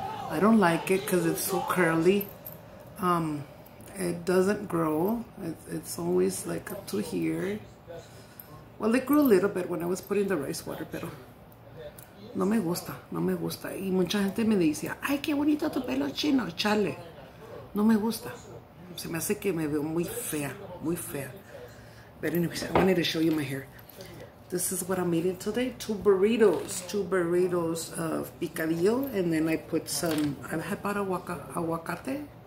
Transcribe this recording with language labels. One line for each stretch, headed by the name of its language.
English: I don't like it because it's so curly. It doesn't grow. It's always like up to here. Well, it grew a little bit when I was putting the rice water,
Spanish: pero no me gusta, no me gusta. Y mucha gente me dice, ay, qué bonito tu pelo chino, chale. No me gusta. Se me hace que me veo muy fea, muy fea.
English: But anyways, I wanted to show you my hair. This is what I'm eating today. Two burritos of picadillo. And then I put some, I had bought aguacate.